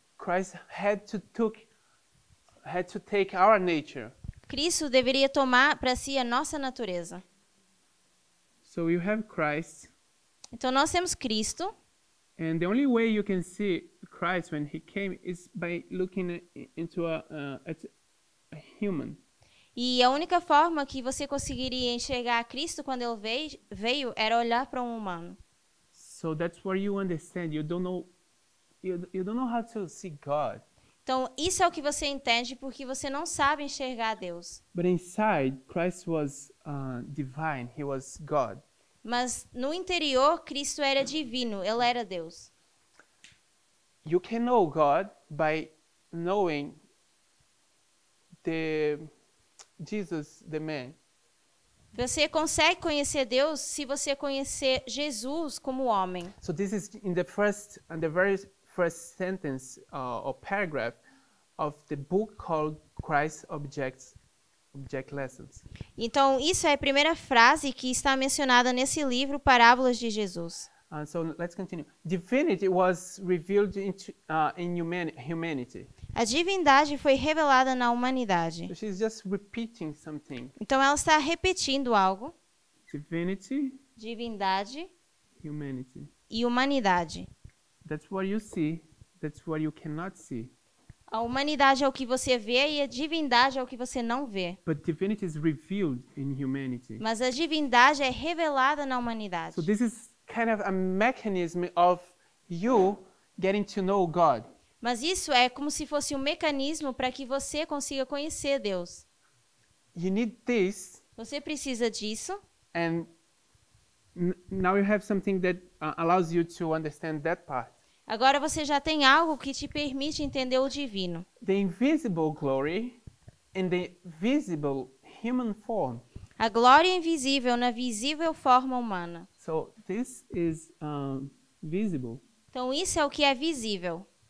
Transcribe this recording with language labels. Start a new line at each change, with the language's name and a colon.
English: Christ had to take our nature.
Portuguese: Cristo deveria tomar para si a nossa natureza.
English: So you have Christ.
Portuguese: Então nós temos Cristo.
English: And the only way you can see Christ when he came is by looking into a human.
Portuguese: E a única forma que você conseguiria enxergar Cristo quando ele veio era olhar para um humano.
English: So that's where you understand. You don't know how to see God.
Portuguese: Então isso é o que você entende porque você não sabe enxergar Deus.
English: But inside, Christ was divine. He was God.
Portuguese: Mas no interior, Cristo era divino. Ele era Deus.
English: You can know God by knowing the Jesus, the man.
Portuguese: Você consegue conhecer Deus se você conhecer Jesus como homem.
English: So this is in the first and the very first sentence or paragraph of the book called Christ Object Lessons.
Portuguese: Então isso é a primeira frase que está mencionada nesse livro Parábolas de Jesus.
English: So let's continue. Divinity was revealed in humanity.
Portuguese: A divindade foi revelada na humanidade.
English: So she's just repeating something.
Portuguese: Então ela está repetindo algo.
English: Divinity.
Portuguese: Divindade.
English: Humanity.
Portuguese: E humanidade.
English: That's what you see. That's what you cannot see.
Portuguese: A humanidade é o que você vê e a divindade é o que você não vê.
English: But divinity is revealed in humanity.
Portuguese: Mas a divindade é revelada na humanidade.
English: So this is kind of a mechanism of you getting to know God.
Portuguese: Mas isso é como se fosse um mecanismo para que você consiga conhecer Deus.
English: You need this.
Portuguese: Você precisa disso.
English: And now you have something that allows you to understand that part.
Portuguese: Agora você já tem algo que te permite entender o divino.
English: The invisible glory in the visible human form.
Portuguese: A glória invisível na visível forma humana.
English: So this is visible.
Portuguese: Então isso é o que é visível.